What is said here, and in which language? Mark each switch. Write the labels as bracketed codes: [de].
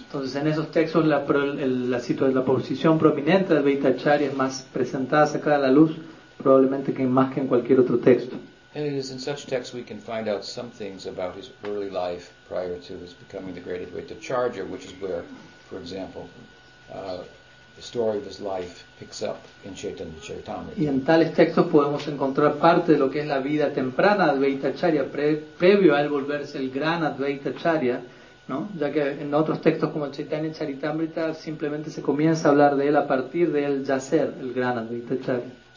[es] Entonces en esos textos la posición prominente de Advaita Acharya es más presentada, sacada a la luz, probablemente que más que en cualquier otro texto. [en] And it is in such texts we can find out some things about his early life prior to his becoming the great Advaita Acharya, which is where, for example, the story of his life picks up in Chaitanya Charitamrita. [es] Y en tales textos podemos encontrar parte de lo que es la vida temprana de Advaita Acharya, previo a él volverse el gran Advaita Acharya, ¿no? Ya que en otros textos como el Chaitanya Charitamrita simplemente se comienza a hablar de él a partir de él ya ser el gran Advaita Acharya.